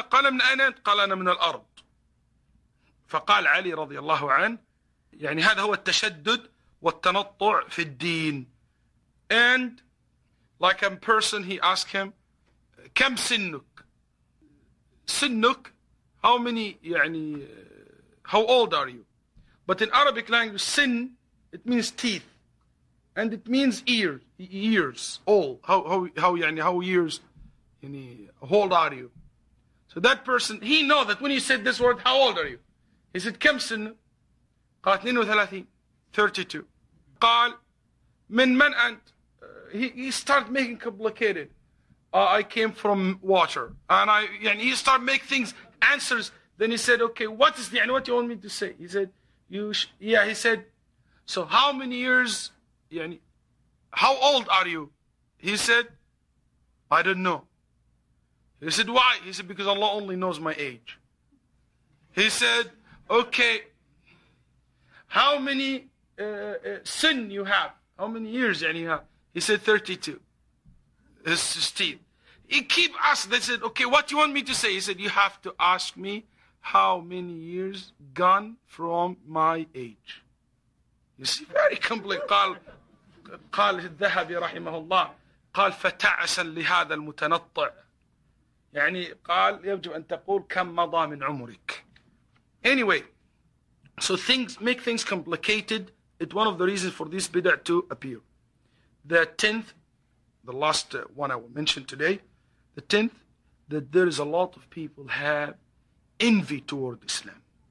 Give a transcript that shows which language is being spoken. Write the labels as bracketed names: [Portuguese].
[Arabic] قال من أين؟ قال أنا من الأرض. فقال علي رضي الله عنه يعني هذا هو التشدد والتنطع في الدين. [English] And like a person, he asked him, [Arabic] كم سنك؟ سنك؟ [English] How many يعني how old are you? But in Arabic language, sin, it means teeth. And it means ears, all. How years, yani, how old are you? So that person, he know that when you said this word, how old are you? He said, [Arabic] كم سن؟ قال 32. 32. قال من أنت؟ [English] He start making complicated. I came from water. And I, yani, he start make things, answers. Then he said, okay, what is the, yani, what do you want me to say? He said, he said, so how many years, yani, how old are you? He said, I don't know. He said, why? He said, because Allah only knows my age. He said, okay, how many sin you have? How many years, yani, you have? He said, 32. This is teeth. He keep asking, they said, okay, what do you want me to say? He said, you have to ask me, how many years gone from my age? You see, very complex. [Arabic] قال الذهبي رحمه الله قال فتعسا لهذا المتنطع يعني قال يجب أن تقول كم مضى من عمرك. [English] Anyway, so things make things complicated. It's one of the reasons for this bid'ah to appear. The tenth, the last one I will mention today, the tenth, that there is a lot of people have envy toward Islam.